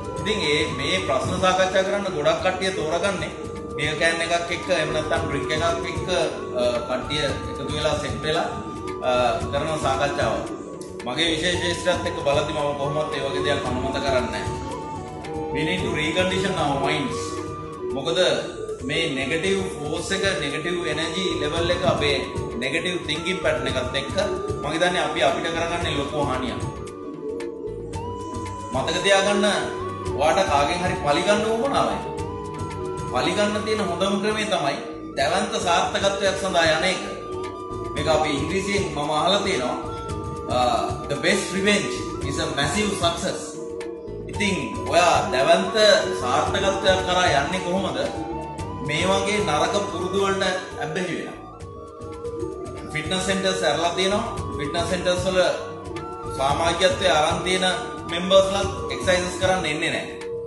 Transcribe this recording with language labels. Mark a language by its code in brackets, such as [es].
[si] ඉතින් මේ ප්‍රශ්න සාකච්ඡා කරන්න ගොඩක් කට්ටිය තෝරගන්නේ මේ කෑන් එකක් එක්ක එහෙම නැත්නම් ඩ්‍රින්ක් එකක් එක්ක කට්ටිය එකතු වෙලා සෙට් වෙලා කරන සාකච්ඡාව. මගේ විශේෂත්වයත් එක්ක බලද්දි මම කොහොමවත් ඒ වගේ දෙයක් අනුමත කරන්නේ නැහැ. [en] We need to recondition our minds. [si] මොකද මේ නෙගටිව් ෆෝස් එක නෙගටිව් එනර්ජි ලෙවල් එක අපේ නෙගටිව් තින්කින් පැටර්න් එකත් එක්ක මම හිතන්නේ අපි අපිට කරගන්නේ ලොකු හානියක්. මතක තියාගන්න ඔයාට කාගෙන් හරි පිළිගන්න ඕනමයි. පිළිගන්න තියෙන හොඳම ක්‍රමය තමයි දැවන්ත සාර්ථකත්වයක් සඳහා යන්නේ. මේක අපි ඉංග්‍රීසියෙන් මම අහලා තියෙනවා. [en] The best revenge is a massive success. [si] ඉතින් ඔයා දැවන්ත සාර්ථකත්වයක් කරා යන්නේ කොහොමද? මේ වගේ නරක පුරුදු වලට ඇබ්බැහි වෙනවා. ෆිට්නස් සෙන්ටර්ස් ඇරලා තියෙනවා. ෆිට්නස් සෙන්ටර්ස් වල සමාජියත්වයේ aran තියෙන මෙම්බර්ස්ලා එක්සයිසස් කරන්න එන්නේ නැහැ.